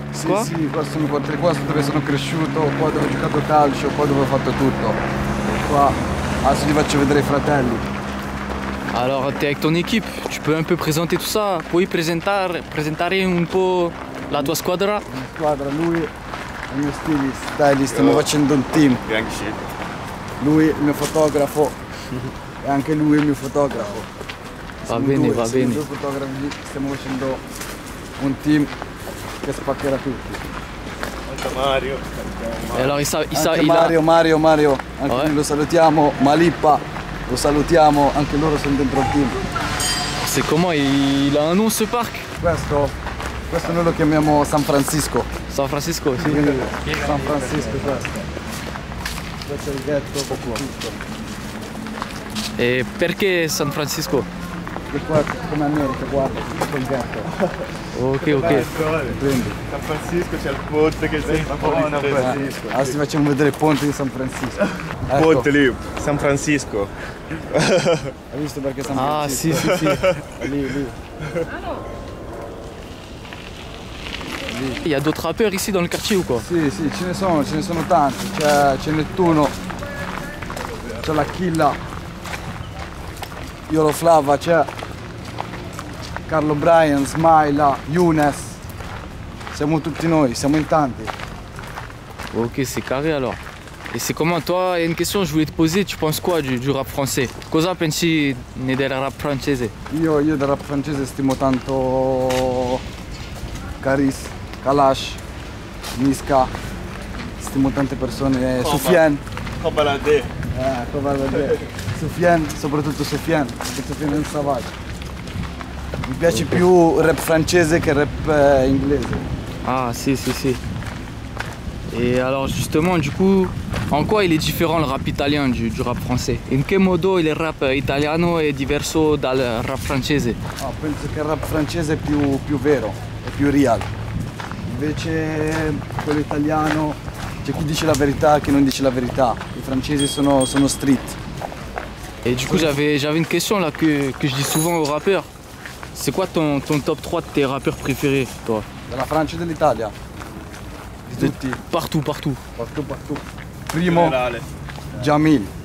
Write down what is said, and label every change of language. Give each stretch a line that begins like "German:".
Italian: Sì, qua sono quattro, qua dove sono cresciuto, qua dove ho giocato calcio, qua dove ho fatto tutto. Qua, adesso ti faccio vedere i fratelli.
French: Alors, t'es avec ton équipe, tu peux un peu présenter tout ça?
Italian: Puoi presentare un po' la tua squadra? La squadra, lui è il mio stylist, stiamo facendo un team. Grazie. Lui è il mio fotografo, e anche lui è il mio fotografo. Va bene. Siamo due fotografi, stiamo facendo un team che spaccherà tutti. Anche Mario, anche noi lo salutiamo, Malippa. Lo salutiamo, anche loro sono dentro il team.
French: C'est comment il a un nom ce parc?
Italian: Questo noi lo chiamiamo San Francisco. San Francisco, sì. San Francisco, questo è il ghetto. E perché San Francisco? E qua come America, guarda, questo è il ghetto. Ok. Prendi. San Francisco c'è il ponte che sei buono. Adesso ti facciamo vedere il ponte di San Francisco. Ecco. Ponte lì, San Francisco. Hai visto perché San Francisco? Ah sì. Lì.
French: Il y a d'autres rappeurs ici dans le quartier ou quoi?
Italian: Sì, ce ne sono tanti. C'è Nettuno, c'è la Killa, Yolo Flava, c'è Carlo Bryan, Smaila, Younes. Siamo tutti noi, siamo in tanti.
French: Ok, c'est carré alors. Et c'est comment toi, il y a une question que je voulais te poser, tu penses quoi du rap français?
Italian: Cosa pensi del rap francese? Io del rap francese stimo tanto Caris, Kalash, Niska, stimo tante persone, Soufiane. Kobalade. Kobalade. Soufiane, soprattutto Soufiane, perché Soufiane è un savage. Mi piace più il rap francese che il rap inglese. Ah, sì.
French: Et alors justement, du coup, en quoi il est différent le rap italien du rap français?
Italian: In che modo il rap italiano è diverso dal rap francese? Ah, penso che il rap francese è più vero, è più real. Invece quello italiano, c'è chi dice la verità e chi non dice la verità. I francesi sono street.
French: Et du coup, j'avais une question là que je dis souvent aux rappeurs. C'est quoi ton top 3 de tes rappeurs préférés, toi? De la France ou de l'Italie? Partout. Partout.
Italian: Primo, Jamil.